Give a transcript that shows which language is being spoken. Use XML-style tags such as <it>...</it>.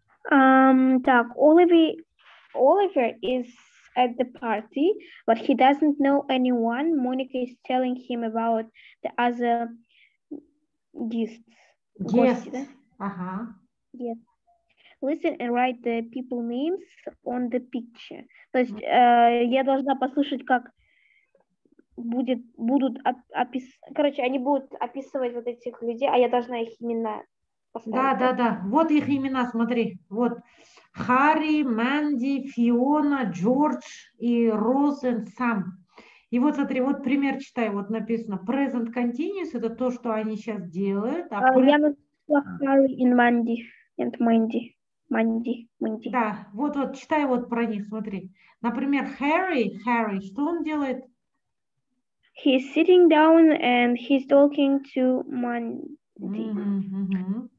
<ru>Так,</ru> <en>Оливер is at the party, but he doesn't know anyone. Monica is telling him about the other guests. Yes. Yes. Listen and write the people names on the picture.</en> <ru>То есть я должна послушать, как... Будет, будут описывать, короче, они будут описывать вот этих людей, а я должна их имена поставить. Да, да, да, вот их имена, смотри, вот Харри, Манди, Фиона, Джордж и Роз и Сам. И вот смотри, вот пример читай, вот написано present continuous, это то, что они сейчас делают. А я написала Харри и Манди,</ru> <en>and</en> <ru>Манди. Манди, Манди. Да, вот, вот, читай вот про них, смотри. Например, Харри, что он делает?</ru> <en>He's sitting down and he's talking to Mandy.</en>